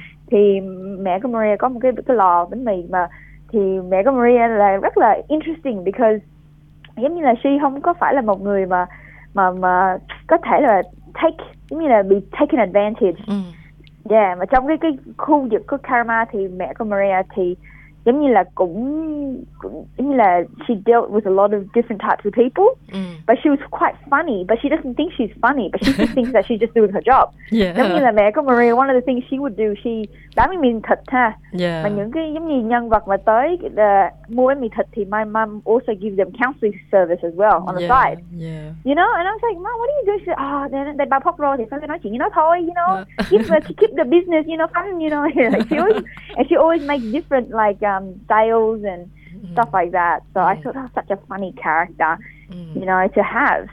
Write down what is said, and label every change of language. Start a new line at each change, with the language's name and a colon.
Vietnamese: Thì mẹ của Maria có một cái lò bánh mì, mà thì mẹ của Maria là rất là
English: interesting because
Vietnamese: giống như là she không có phải là một người mà có thể là take giống như là
English: be taken advantage.
Vietnamese: Yeah, mà trong cái khu vực của Karama thì mẹ của Maria thì giống như là cũng giống như là
English: she dealt with a lot of different types of people. But she was quite funny, but she doesn't think she's funny, but she just thinks that she's just doing her job.
Vietnamese: Giống như là mẹ của Maria,
English: one of the things she would do, she
Vietnamese: bán mì thịt ha. Mà những cái giống như nhân vật mà tới mua mì thịt thì
English: my mom also give them counseling service as well on the side. You know, and I was like, mom, what do you do? She said, oh, they buy pop roll,
Vietnamese: thì phải nói chuyện với nó thôi,
English: you know. keep the business, you know, fun, you know. she always makes different, like, styles and stuff like that. So I thought that was such a funny character, you know, to have.